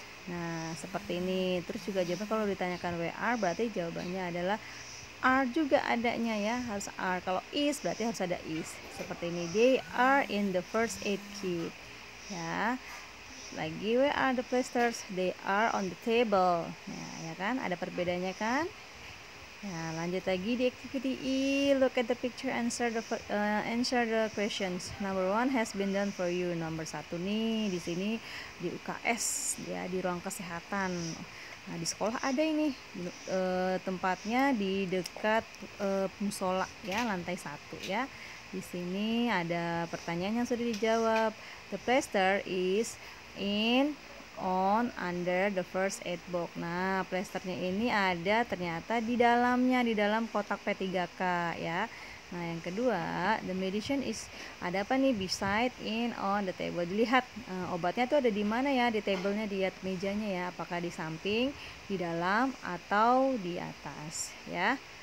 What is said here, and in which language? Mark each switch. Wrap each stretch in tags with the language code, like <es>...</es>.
<id>Nah, seperti ini. Terus juga jawaban kalau ditanyakan where are, berarti jawabannya adalah are juga adanya ya, harus are. Kalau is berarti harus ada is. Seperti ini,</id> <en>they are in the first aid kit</en> <id>ya.</id> <en>Lagi, where are the plasters? They are on the table.</en> <id>Nah, ya kan, ada perbedaannya kan. Nah, lanjut lagi di</id> <en>activity E, look at the picture, answer the questions. Number one has been done for you.</en> <id>Number satu nih, di sini di UKS ya, di ruang kesehatan. Nah, di sekolah ada ini, tempatnya di dekat musola ya, lantai satu ya. Di sini ada pertanyaan yang sudah dijawab.</id> <en>The plaster is in, on, under the first aid box.</en> <id>Nah, plasternya ini ada ternyata di dalamnya, di dalam kotak P3K ya. Nah, yang kedua,</id> <en>the medicine is</en> <id>ada apa nih,</id> <en>beside, in, on the table.</en> <id>Dilihat obatnya tuh ada di mana ya, di tablenya, di mejanya ya, apakah di samping, di dalam, atau di atas ya.</id>